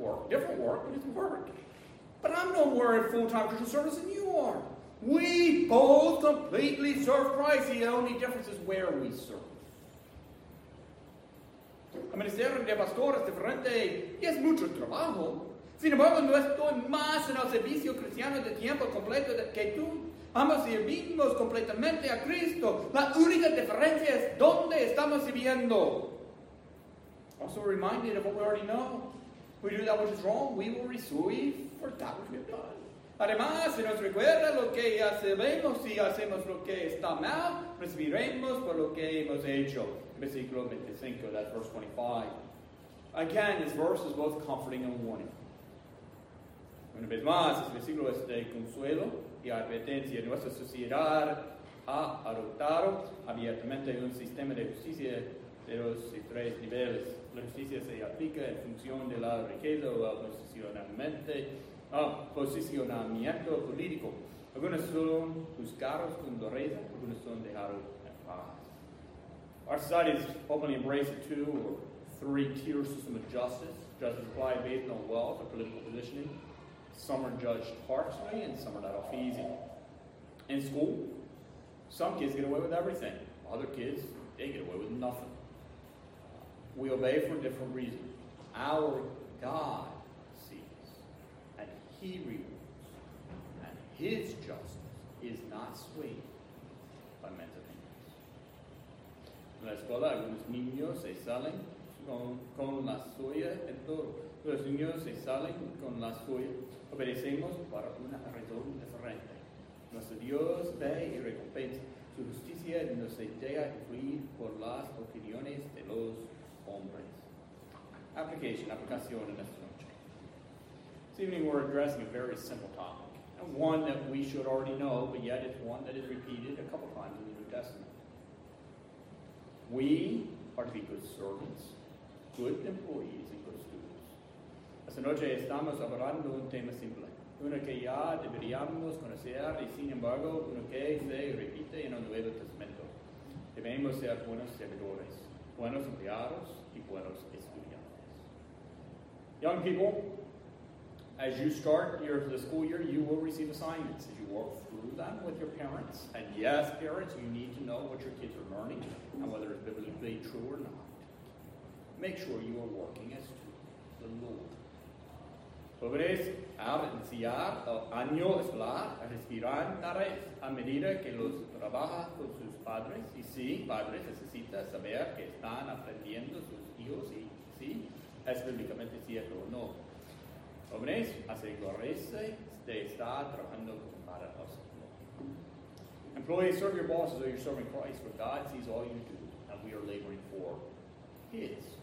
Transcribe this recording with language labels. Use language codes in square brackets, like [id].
[en] Different work, but it's work. But I'm no more in full-time Christian service than you are. We both completely serve Christ. The only difference is where we serve. [es] El ministerio de pastor es diferente y es mucho trabajo. Sin embargo, no estoy más en el servicio cristiano de tiempo completo que tú. Ambos servimos completamente a Cristo. La única diferencia es dónde estamos sirviendo. [en] Also reminded of what we already know. We do that which is wrong, we will receive for that which we have done. [es] Además, si nos recuerda lo que ya sabemos, si hacemos lo que está mal, recibiremos por lo que hemos hecho. Versículo 25, [en] that's verse 25. Again, this verse is both comforting and warning. [es] Una vez más, este versículo es de consuelo y advertencia. Nuestra sociedad ha adoptado abiertamente un sistema de justicia de dos y tres niveles. La justicia se aplica en función de la riqueza o posicionamiento político. Algunos son juzgados con dureza, algunos son dejados en paz. [en] Our society has openly embraced a two or three-tier system of justice. Justice applied based on wealth or political positioning. Some are judged harshly and some are not off easy. In school, some kids get away with everything. Other kids, they get away with nothing. We obey for a different reason. Our God sees, and He rewards, and His justice is not swayed by men's opinions. [es] En la escuela, algunos niños se salen con la suya en todo. Los niños se salen con la suya. Obedecemos para una razón diferente. Nuestro Dios ve y recompensa. Su justicia no se deja influir por las opiniones de los hombres. Aplicación en esta noche. [en] This evening we're addressing a very simple topic, and one that we should already know, but yet it's one that is repeated a couple times in the New Testament. We are to be good servants, good employees, and good students. [es] Esta noche estamos hablando un tema simple, uno que ya deberíamos conocer, y sin embargo, uno que se repite en el Nuevo Testamento. Debemos ser buenos servidores. Buenos empleados y buenos estudiantes. [en] Young people, as you start the school year, you will receive assignments. As you walk through them with your parents, and yes, parents, you need to know what your kids are learning and whether it's biblically true or not. Make sure you are working as to the Lord. [es] Jóvenes, al iniciar el año escolar, recibirán tareas a medida que los trabaja con sus padres. Y sí, padres necesitan saber que están aprendiendo sus hijos, y sí, es bíblicamente cierto o no. Jóvenes, asegúrese de estar trabajando con para el Señor. [en] Employees, serve your bosses or you're serving Christ, for God sees all you do, and we are laboring for His.